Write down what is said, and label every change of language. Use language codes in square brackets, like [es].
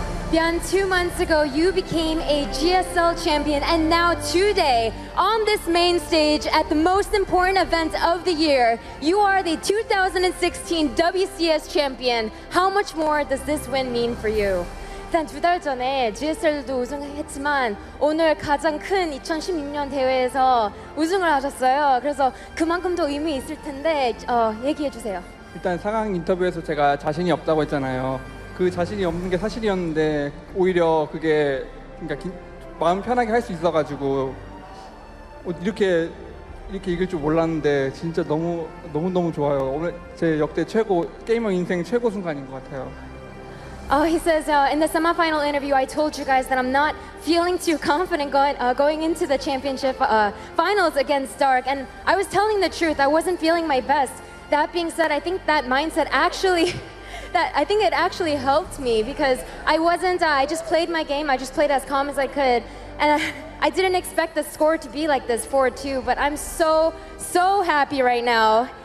[en] ByuN, 2 months ago, you became a GSL champion, and now today, on this main stage at the most important event of the year, you are the 2016 WCS champion. How much more does this win mean for you? [ko] 일단 두 달 전에 GSL도 우승을 했지만 오늘 가장 큰 2016년 대회에서 우승을 하셨어요. 그래서 그만큼 더 의미 있을 텐데 얘기해 주세요. 일단 상황 인터뷰에서 제가 자신이 없다고 했잖아요. 그 자신이 없는 게 사실이었는데 오히려 그게 그러니까 마음 편하게 할 수 있어가지고 이렇게 이길 줄 몰랐는데 진짜 너무 너무 너무 좋아요. 오늘 제 역대 최고 게이머 인생 최고 순간인 것 같아요. [en] Oh, he says in the semifinal interview, I told you guys that I'm not feeling too confident going into the championship finals against Dark, and I was telling the truth. I wasn't feeling my best. That being said, I think that mindset actually that I think it actually helped me because I wasn't, I just played my game, I just played as calm as I could, and I didn't expect the score to be like this 4-2, but I'm so, so happy right now.